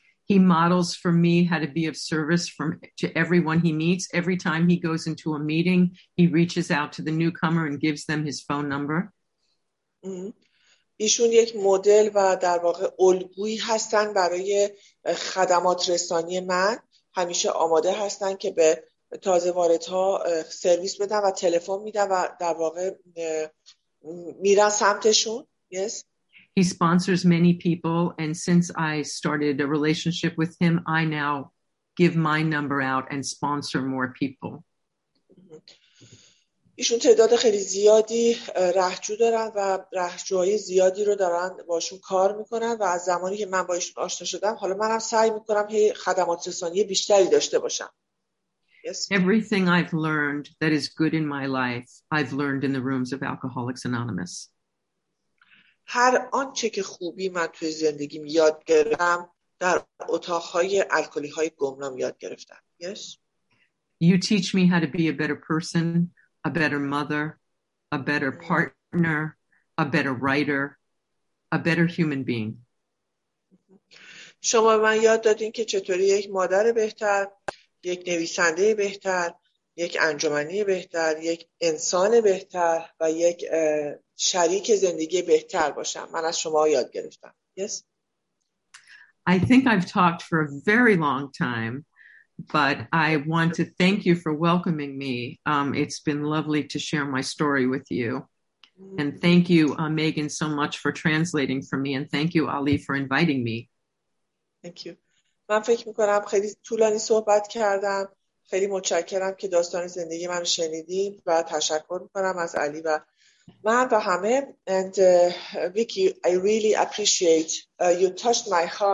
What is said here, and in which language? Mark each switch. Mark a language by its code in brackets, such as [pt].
[en] He models for me how to be of service to everyone he meets. Every time he goes into a meeting, he reaches out to the newcomer and gives them his phone number. [fa] ایشون یک مدل و در واقع الگویی هستن برای خدمات رسانی من. همیشه آماده هستن که به تازه واردها سرویس بدن و تلفن میدن و در واقع میرن سمتشون. [en] Yes. He sponsors many people and since I started a relationship with him, I now give my number out and sponsor more people. [fa] ایشون تعداد خیلی زیادی رهجو دارن و رهجوهای زیادی رو دارن باشون کار میکنن و از زمانی که من با ایشون آشنا شدم حالا منم سعی میکنم هی خدمات رسانی بیشتری داشته باشم. [en] Yes. Everything I've learned that is good in my life, I've learned in the rooms of Alcoholics Anonymous. [fa] هر آنچه که خوبی من توی زندگیم یاد گرفتم در اتاق‌های الکلی‌های گمنام یاد گرفتم. [en] Yes. You teach me how to be a better person, a better mother, a better partner, a better writer, a better human being. [fa] شما من یاد دادین که چطوری یک مادر بهتر، یک نویسنده بهتر، یک انجمنی بهتر، یک انسان بهتر و یک شریک زندگی بهتر باشم. من از شما یاد گرفتم. [en] Yes. I think I've talked for a very long time, but I want to thank you for welcoming me. It's been lovely to share my story with you. And thank you, Megan, so much for translating for me. And thank you, Ali, for inviting me. Thank you. [fa] من فکر میکنم خیلی طولانی صحبت کردم. خیلی متشکرم که داستان زندگی من شنیدیم و تشکر میکنم از علی و من و همه. [en] And Vicky, I really appreciate you touched my heart.